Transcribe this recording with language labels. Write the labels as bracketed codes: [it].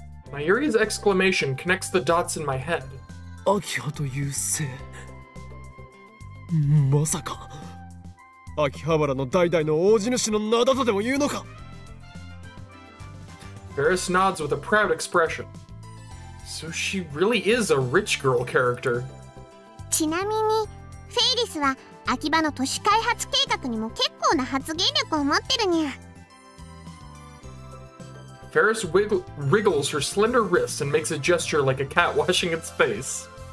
[en] Mayuri's exclamation connects the dots in my head. [ja] Akiha という姓。まさか、秋葉原の代々の大地主の名だとでも言うのか。 [en] Ferris nods with a proud expression. So she really is a rich girl character. [ja] ちなみに、フェイリスは秋葉の都市開発計画にも結構な発言力を持ってるにゃ。 [en] Ferris wriggles her slender wrist and makes a gesture like a cat washing its face.